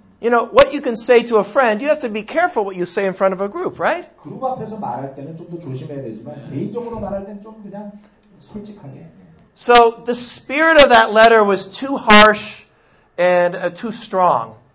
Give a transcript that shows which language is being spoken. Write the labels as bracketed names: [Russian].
[English] You know, what you can say to a friend, you have to be careful what you say in front of a group, right? [Korean] 그룹 앞에서 말할 때는 좀 더 조심해야 되지만 개인적으로 말할 때는 좀 그냥 솔직하게 [English] So the spirit of that letter was too harsh and too strong.